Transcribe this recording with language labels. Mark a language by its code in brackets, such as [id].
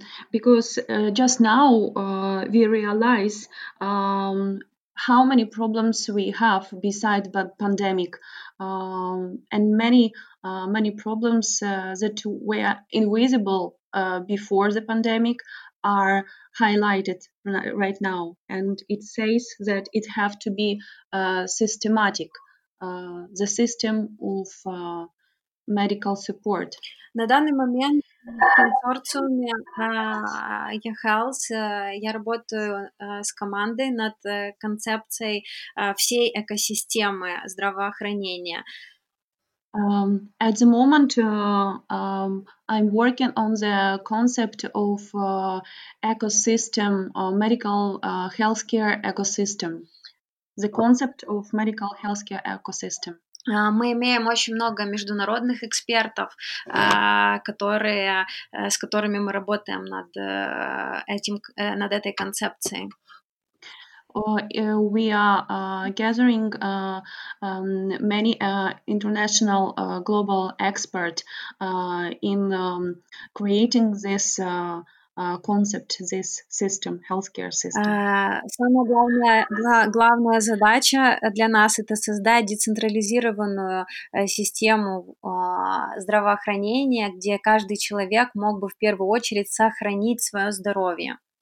[en] Because just now we realize how many problems we have besides the pandemic, and many problems that were invisible before the pandemic are highlighted right now. And it says that it have to be systematic, the system of medical support. [ru] На данный момент в консорциуме eHealth я работаю с командой над концепцией всей экосистемы здравоохранения. [en] At the moment I'm working on the concept of ecosystem or medical healthcare ecosystem. The concept of medical healthcare ecosystem. [ru] Мы имеем очень много международных экспертов, с которыми мы работаем над над этой концепцией. [en] We are gathering many international global experts in creating this concept, this system, healthcare system. [ru] Самая главная задача для нас – это создать децентрализированную систему здравоохранения, где каждый человек мог бы в первую очередь сохранить свое здоровье.